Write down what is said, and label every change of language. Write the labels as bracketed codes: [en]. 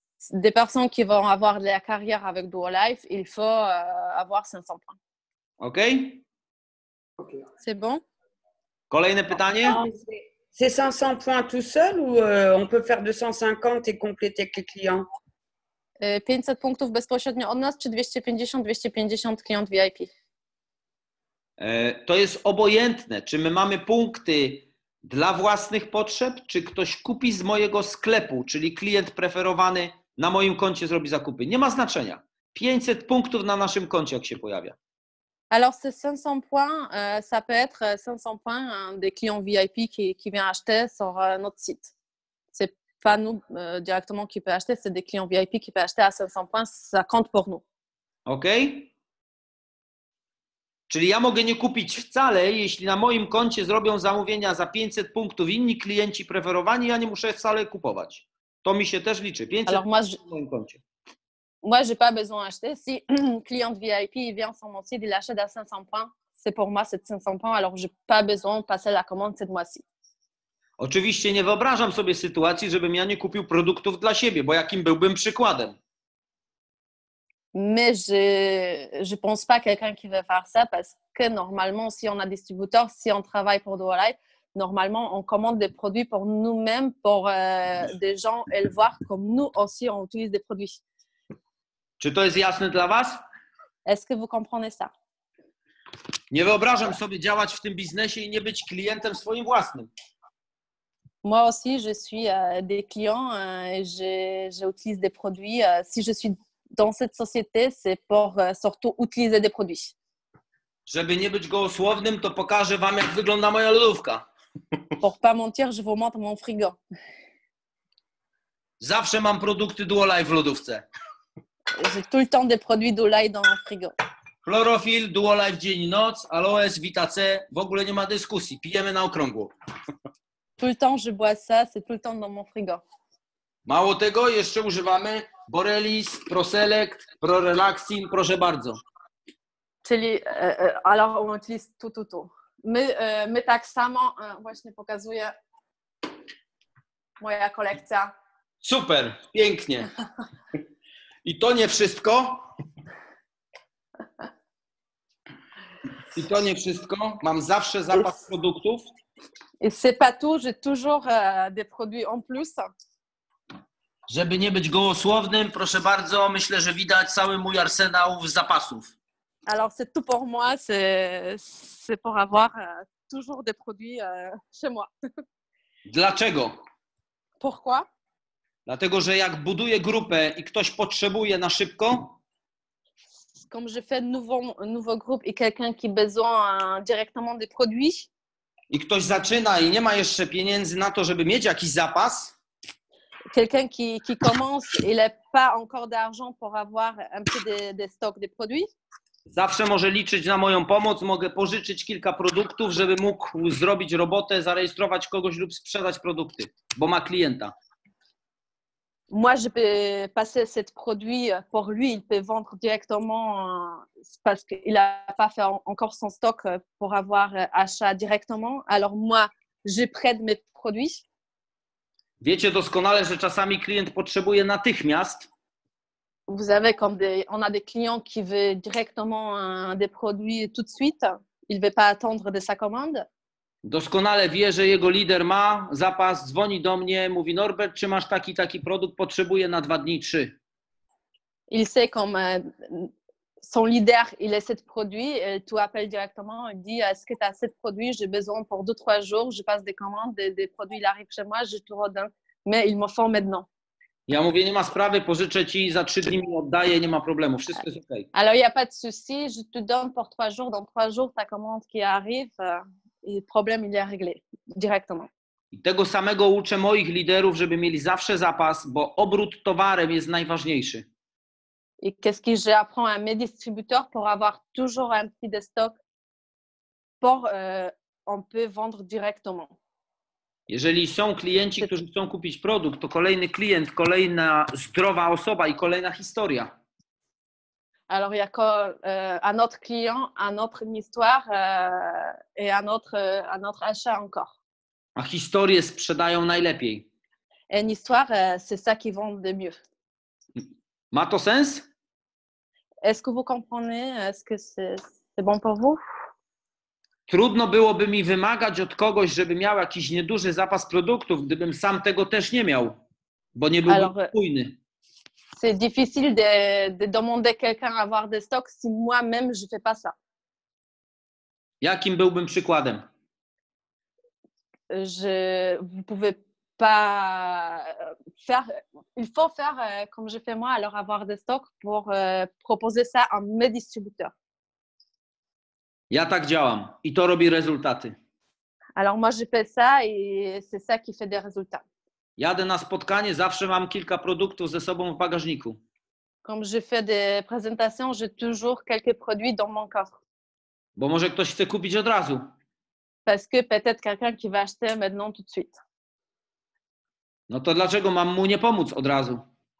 [fr] Des personnes qui vont avoir la carrière avec Duolife, il faut avoir 500 points. OK? OK. C'est bon? [pl] Kolejne pytanie? [fr] C'est 500 points tout seul ou on peut faire 250 et compléter avec les clients? [pl] 500 punktów bezpośrednio od nas, czy 250 klient VIP? To jest obojętne, czy my mamy punkty dla własnych potrzeb, czy ktoś kupi z mojego sklepu, czyli klient preferowany na moim koncie zrobi zakupy. Nie ma znaczenia. 500 punktów na naszym koncie, jak się pojawia. [fr] Alors, ces 500 points, ça peut être 500 points des clients VIP qui vient acheter sur notre site. Pas nous directement qui peut acheter, c'est des clients VIP qui peut acheter à 500 points, ça compte pour nous. OK. [pl] Czyli ja mogę nie kupić wcale, jeśli na moim koncie zrobią zamówienia za 500 punktów inni klienci preferowani, ja nie muszę wcale kupować. To mi się też liczy. 500 Alors, moi, na moim koncie. [fr] Moi, j'ai pas besoin d'acheter. Si client VIP vient sur mon site, il achète à 500 points, c'est pour moi, c'est 500 points, alors j'ai pas besoin de passer la commande cette mois-ci. [pl] Oczywiście nie wyobrażam sobie sytuacji, żebym ja nie kupił produktów dla siebie, bo jakim byłbym przykładem? [fr] Mais je pense pas quelqu'un qui veut faire ça parce que normalement si on a distributeur, si on travaille pour Duolife, normalement on commande des produits pour nous-mêmes, pour des gens et le voir comme nous aussi on utilise des produits. [pl] Czy to jest jasne dla was? [fr] Est-ce que vous comprenez ça? [pl] Nie wyobrażam sobie działać w tym biznesie i nie być klientem swoim własnym. [fr] Moi aussi, je suis des clients et j'utilise des produits. Si je suis dans cette société, c'est pour surtout utiliser des produits. [pl] Żeby nie być gołosłownym, to pokażę wam, jak wygląda moja lodówka. [fr] Pour pas mentir, je vous montre mon frigo. [pl] Zawsze mam produkty Duolife w lodówce. [fr] J'ai tout le temps des produits Duolife dans mon frigo. [pl] Chlorofil, Duolife dzień i noc, aloes, Vita C, w ogóle nie ma dyskusji, pijemy na okrągło. [fr] Tout le temps je bois ça, c'est tout le temps dans mon frigo. [pl] Mało tego, jeszcze używamy Borelis, Proselect, Prorelaxin, proszę bardzo. [fr] Czyli, alors on utilise tout, tout, tout. [pl] My tak samo, właśnie pokazuję moja kolekcja. Super, pięknie. I to nie wszystko. I to nie wszystko. Mam zawsze zapas produktów. [fr] I c'est pas tout, j'ai toujours des produits en plus. [pl] Żeby nie być gołosłownym, proszę bardzo, myślę, że widać cały mój arsenał zapasów. [fr] Alors c'est tout pour moi, c'est pour avoir toujours des produits chez moi. [pl] Dlaczego? [fr] Pourquoi? [pl] Dlatego, że jak buduję grupę i ktoś potrzebuje na szybko, [fr] comme je fais nouveau groupe et quelqu'un qui besoin directement des produits. [pl] I ktoś zaczyna i nie ma jeszcze pieniędzy na to, żeby mieć jakiś zapas. [fr] Quelqu'un qui commence et n'a pas encore d'argent pour avoir un peu de stock de produits. [pl] Zawsze może liczyć na moją pomoc, mogę pożyczyć kilka produktów, żeby mógł zrobić robotę, zarejestrować kogoś lub sprzedać produkty, bo ma klienta. [fr] Moi je peux passer cet produit pour lui, il peut vendre directement parce qu'il n'a pas fait encore son stock pour avoir achat directement. Alors moi, je prête mes produits. [pl] Wiecie doskonale, że czasami klient potrzebuje natychmiast. [fr] Vous savez, on a des clients qui veulent directement des produits tout de suite. Il ne veut pas attendre de sa commande. [pl] Doskonale wie, że jego lider ma zapas, dzwoni do mnie, mówi: Norbert, czy masz taki, taki produkt? Potrzebuję na dwa dni, trzy. [fr] Il sait comme son leader, il a cet produit, tu appelles directement, il dit: est-ce que tu as cet produit? J'ai besoin pour 2-3 jours, je passe des commandes, des produits, il arrive chez moi, je te redonne, mais il me faut maintenant. [pl] Ja mówię: nie ma sprawy, pożyczę ci, za 3 dni mi oddaję, nie ma problemu, wszystko jest okej. Okay. [fr] Alors, il n'y a pas de souci, je te donne pour 3 jours, dans 3 jours, ta commande qui arrive, i problem il est réglé directement. [pl] I tego samego uczę moich liderów, żeby mieli zawsze zapas, bo obrót towarem jest najważniejszy. [fr] Et qu'est-ce que j'apprends à mes distributeurs pour avoir toujours un petit stock pour on peut vendre directement. [pl] Jeżeli są klienci, którzy chcą kupić produkt, to kolejny klient, kolejna zdrowa osoba i kolejna historia. [fr] Alors il y a un autre client, un autre histoire et un autre achat encore. [pl] A historie sprzedają najlepiej. [fr] Et une histoire c'est ça qui vend le mieux. [pl] Ma to sens? [fr] Est-ce que vous comprenez? Est-ce que c'est bon pour vous? [pl] Trudno byłoby mi wymagać od kogoś, żeby miał jakiś nieduży zapas produktów, gdybym sam tego też nie miał, bo nie byłby spójny. [fr] C'est difficile de demander quelqu'un avoir des stocks si moi-même je fais pas ça. [pl] Jakim byłbym przykładem? [fr] Je vous pouvez pas faire, il faut faire comme je fais moi, alors avoir des stocks pour proposer ça à mes distributeurs. [pl] Ja tak działam i to robi rezultaty. [fr] Alors moi je fais ça et c'est ça qui fait des résultats. [pl] Jadę na spotkanie, zawsze mam kilka produktów ze sobą w bagażniku. [fr] Comme je fais des présentations, j'ai toujours quelques produits dans mon coffre. [pl] Bo może ktoś chce kupić od razu. [fr] Parce que peut-être quelqu'un qui va acheter maintenant tout de suite. [pl] No to dlaczego mam mu nie pomóc od razu?